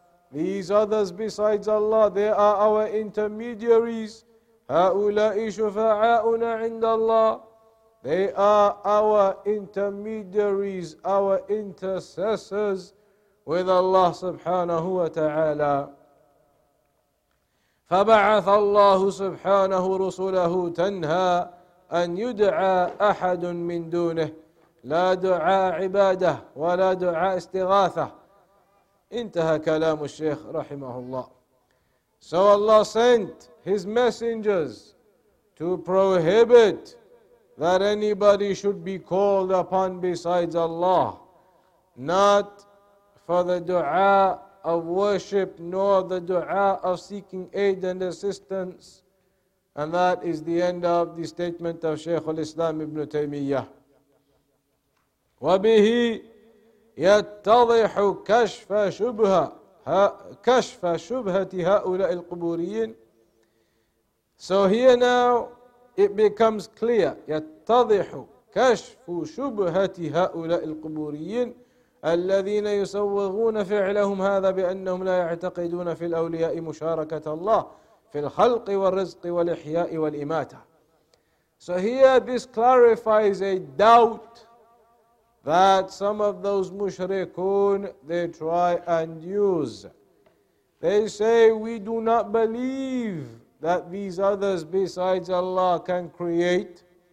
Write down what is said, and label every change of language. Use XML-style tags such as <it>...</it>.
<en>These others besides Allah, they are our intermediaries.</en> <ar>هَؤُلَاءِ شُفَعَاءُنَا عِنْدَ اللَّهِ.</ar> <en>They are our intermediaries, our intercessors with Allah subhanahu wa ta'ala.</en> <ar>فَبَعَثَ اللَّهُ سُبْحَانَهُ رُسُولَهُ تَنْهَى أن يدعى أحد من دونه لا دعاء عبادة ولا دعاء استغاثة. انتهى كلام الشيخ رحمه الله.</ar> <en>So Allah sent His messengers to prohibit that anybody should be called upon besides Allah, not for the dua of worship nor the dua of seeking aid and assistance. And that is the end of the statement of Shaykh al-Islam ibn Taymiyyah.</en> <ar>وَبِهِ يَتَّضِحُ كَشْفَ شُبْهَ. كشف شبهة هؤلاء القبوريين.</ar> <en>So here now it becomes clear,</en> <ar>يتضح كشف شبهة هؤلاء القبوريين الذين يسوغون فعلهم هذا بأنهم لا يعتقدون في الأولياء مشاركة الله في الخلق والرزق والإحياء والإماتة.</ar> <en>So here this clarifies a doubt that some of those mushrikun, they try and use. They say, we do not believe that these others besides Allah can create.</en>